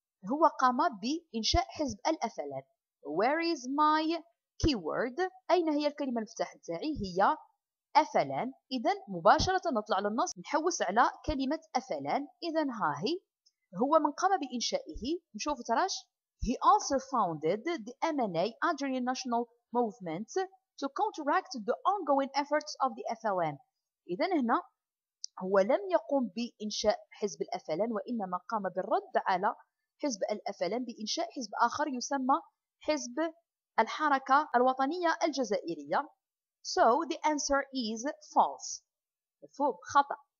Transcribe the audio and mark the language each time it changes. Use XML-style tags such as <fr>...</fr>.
<ar>هو قام بإنشاء حزب الأفلان.</ar> <en>Where is my keyword؟</en> <ar>أين هي الكلمة المفتاح تاعي؟ هي أفلان. إذن مباشرة نطلع للنص نحوس على كلمة أفلان. إذن ها هي هو من قام بإنشائه. نشوف تراش.</ar> <en>He also founded the MNA Algerian National Movement to counteract the ongoing efforts of the FLN.</en> <ar>إذن هنا هو لم يقوم بإنشاء حزب الأفلان، وإنما قام بالرد على حزب الأفلان بإنشاء حزب آخر يسمى حزب الحركة الوطنية الجزائرية.</ar> <en>So the answer is false.</en> <ar>خطأ.</ar>